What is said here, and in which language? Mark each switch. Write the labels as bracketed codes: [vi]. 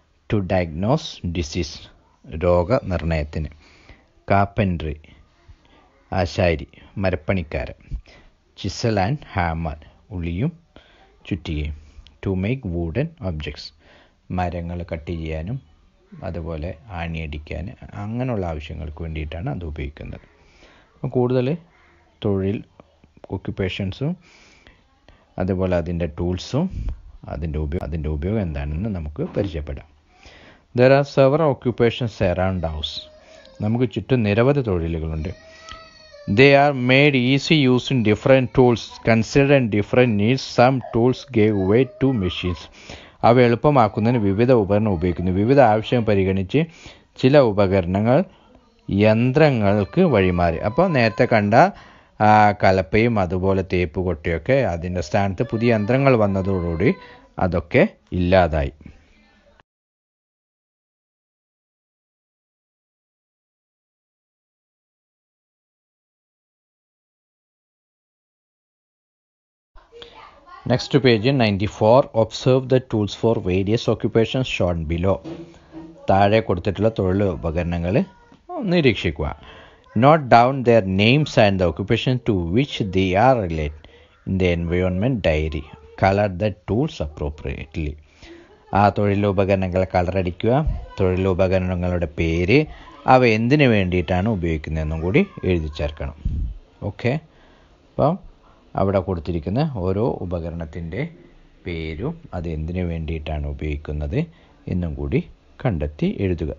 [en] to diagnose disease [ml] രോഗനിർണയത്തിന് കാപ്പൻട്രി ആശാരി മരപ്പണിക്കാരൻ [en] chisel and hammer [ml] ഉള്ളിയും ചുറ്റുകയും [en] to make wooden objects [ml] മരങ്ങൾ cut ചെയ്യാനും അതുപോലെ ആണിയടിക്കാൻ അങ്ങനെയുള്ള ആവശ്യങ്ങൾക്ക് വേണ്ടിയിട്ടാണ് അത് ഉപയോഗിക്കുന്നത് അപ്പോൾ കൂടുതൽ തൊഴിൽ ഒക്യുപേഷൻസും അതുപോലെ അതിൻ്റെ ടൂൾസും അതിൻ്റെ ഉപയോഗം എന്താണെന്ന് നമുക്ക് പരിചയപ്പെടാം [en] There are several occupations around us. [ml] നമുക്ക് ചുറ്റും നിരവധി തൊഴിലുകളുണ്ട്. [en] They are made easy using different tools, considering different needs. Some tools gave way to machines. [ml] അവ എളുപ്പമാക്കുന്നതിന് വിവിധ ഉപകരണം ഉപയോഗിക്കുന്നു. വിവിധ ആവശ്യം പരിഗണിച്ച് ചില ഉപകരണങ്ങൾ യന്ത്രങ്ങൾക്ക് വഴിമാറി. അപ്പോൾ നേരത്തെ കണ്ട കലപ്പയും അതുപോലെ തേപ്പ് കൊട്ടിയൊക്കെ അതിൻ്റെ സ്ഥാനത്ത് പുതിയ യന്ത്രങ്ങൾ വന്നതോടുകൂടി അതൊക്കെ ഇല്ലാതായി. [en] Next page 94. Observe the tools for various occupations shown below. [ml] താഴെ കൊടുത്തിട്ടുള്ള തൊഴിൽ ഉപകരണങ്ങൾ നിരീക്ഷിക്കുക. [en] Note down their names and the occupation to which they are related in the environment diary. Color the tools appropriately. [ml] ആ തൊഴിലുപകരണങ്ങളെ കളറടിക്കുക. തൊഴിലുപകരണങ്ങളുടെ പേര് അവ എന്തിനു വേണ്ടിയിട്ടാണ് ഉപയോഗിക്കുന്നതെന്നും കൂടി എഴുതി ചേർക്കണം. ഓക്കെ, അപ്പം അവിടെ കൊടുത്തിരിക്കുന്ന ഓരോ ഉപകരണത്തിൻ്റെ പേരും അത് എന്തിനു വേണ്ടിയിട്ടാണ് ഉപയോഗിക്കുന്നത് എന്നും കൂടി കണ്ടെത്തി എഴുതുക.